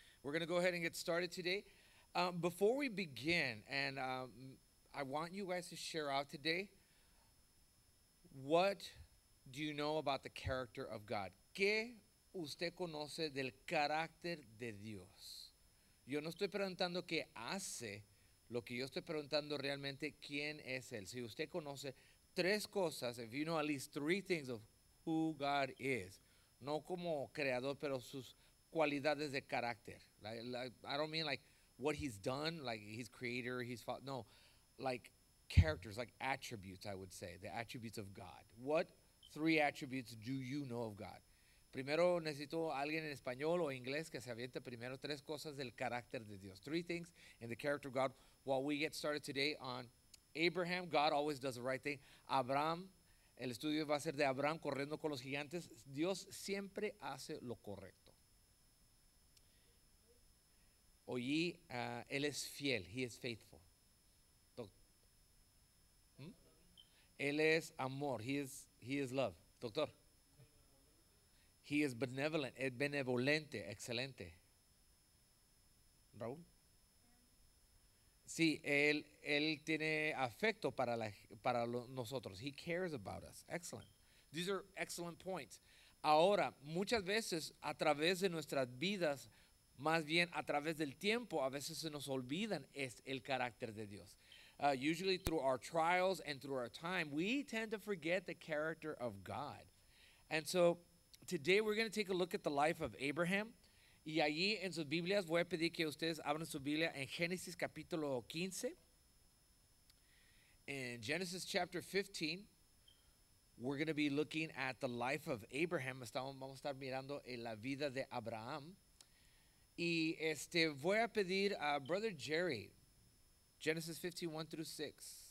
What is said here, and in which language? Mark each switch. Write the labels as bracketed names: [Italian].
[English] We're going to go ahead and get started today. Before we begin, and I want you guys to share out today, what do you know about the character of God? [Spanish] ¿Qué usted conoce del carácter de Dios? Yo no estoy preguntando qué hace, lo que yo estoy preguntando realmente, ¿quién es Él? Si usted conoce tres cosas, [English] if you know at least three things of who God is, [Spanish] no como creador, pero sus cualidades de carácter. [English] I don't mean like what he's done, like his creator, his father. No, like characters, like attributes, I would say, the attributes of God. What three attributes do you know of God? [Spanish] Primero necesito alguien en español o inglés que se aviente primero tres cosas del carácter de Dios. [English] Three things in the character of God. While we get started today on Abraham, God always does the right thing. Abraham. [Spanish] El estudio va a ser de Abraham corriendo con los gigantes. Dios siempre hace lo correcto. Oye, él es fiel. [English] He is faithful. [Spanish] Él es amor. [English] He is love. Doctor. He is benevolent. [Spanish] Es benevolente. Excelente. Raúl. Sí, él tiene afecto para nosotros. [English] He cares about us. Excellent. These are excellent points. [Spanish] Ahora, muchas veces a través de nuestras vidas, más bien a través del tiempo, a veces se nos olvidan es el carácter de Dios. [English] Usually through our trials and through our time, we tend to forget the character of God. And so today we're going to take a look at the life of Abraham. [Spanish] Y allí en sus Biblias voy a pedir que ustedes abran su Biblia en Génesis capítulo 15. [English] In Genesis chapter 15, we're going to be looking at the life of Abraham. [Spanish] Vamos a estar mirando en la vida de Abraham. Y voy a pedir a Brother Jerry, Genesis 15, 1 through 6.